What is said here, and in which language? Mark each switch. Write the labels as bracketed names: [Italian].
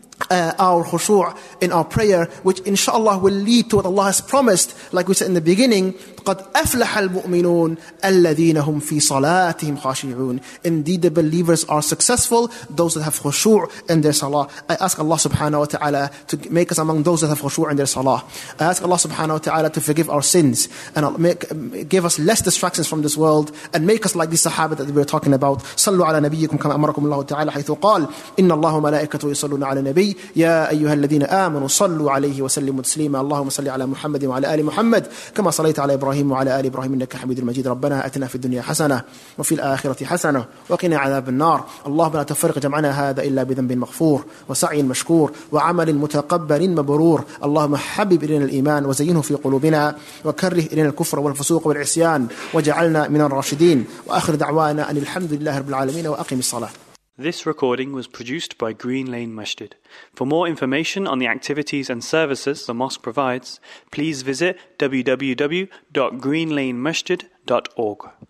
[English] our khushu' in our prayer, which inshallah will lead to what Allah has promised, like we said in the beginning, [Arabic] قَدْ أَفْلَحَ الْمُؤْمِنُونَ الَّذِينَ هُمْ فِي صَلَاتِهِمْ خَاشِعُونَ. [English] Indeed, the believers are successful, those that have khushu' in their salah. I ask Allah subhanahu wa ta'ala to make us among those that have khushu' in their salah. I ask Allah subhanahu wa ta'ala to forgive our sins and give us less distractions from this world and make us like the sahaba that we're talking about. [Arabic] صلوا على نبيكم كما أمركم الله تعالى حيث قال إن الله ملائكته يصلون على النبي يا أيها الذين آمنوا صلوا عليه وسلموا تسليما. اللهم صل على محمد وعلى آل محمد كما صليت على إبراهيم وعلى آل إبراهيم إنك حميد مجيد. ربنا أتنا في الدنيا حسنة وفي الآخرة حسنة وقنا عذاب النار. اللهم لا تفرق جمعنا هذا إلا بذنب مغفور وسعي مشكور وعمل متقبل مبرور. اللهم حبب إلينا الإيمان وزينه في قلوبنا وكره إلينا الكفر والفسوق والعصيان وجعلنا من الراشدين. وآخر دعوانا أن الحمد لله رب العالمين وأقم الصلاة. [English] This recording was produced by Green Lane Masjid. For more information on the activities and services the mosque provides, please visit www.greenlanemasjid.org.